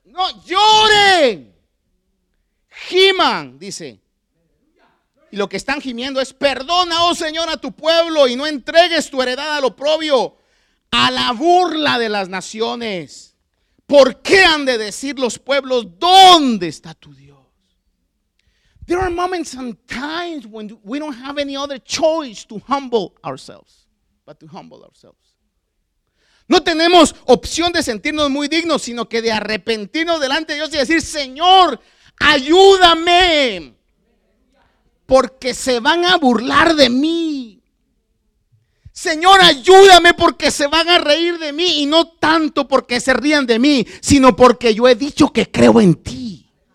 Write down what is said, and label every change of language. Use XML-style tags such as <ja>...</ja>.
<es>No, lloren. Giman, dice. Y lo que están gimiendo es, perdona, oh Señor, a tu pueblo y no entregues tu heredad al oprobio, a la burla de las naciones. ¿Por qué han de decir los pueblos, dónde está tu Dios?</es> <en>There are moments and times when we don't have any other choice to humble ourselves, but to humble ourselves.</en> <es>No tenemos opción de sentirnos muy dignos, sino que de arrepentirnos delante de Dios y decir, Señor, ayúdame, porque se van a burlar de mí. Señor, ayúdame porque se van a reír de mí, y no tanto porque se rían de mí, sino porque yo he dicho que creo en ti.</es>